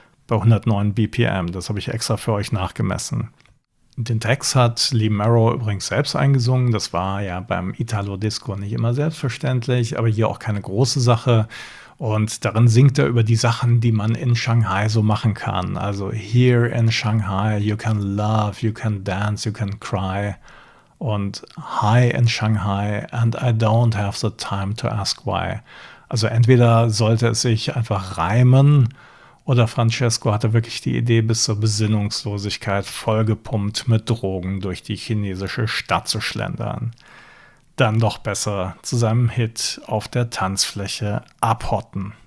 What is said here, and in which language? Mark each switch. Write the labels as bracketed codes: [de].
[de] bei 109 BPM. Das habe ich extra für euch nachgemessen. Den Text hat Lee Merrow übrigens selbst eingesungen. Das war ja beim Italo-Disco nicht immer selbstverständlich, aber hier auch keine große Sache. Und darin singt er über die Sachen, die man in Shanghai so machen kann. [en] Also here in Shanghai you can love, you can dance, you can cry. Und high in Shanghai and I don't have the time to ask why. [de] Also entweder sollte es sich einfach reimen oder Francesco hatte wirklich die Idee, bis zur Besinnungslosigkeit vollgepumpt mit Drogen durch die chinesische Stadt zu schlendern. Dann doch besser zu seinem Hit auf der Tanzfläche abhotten.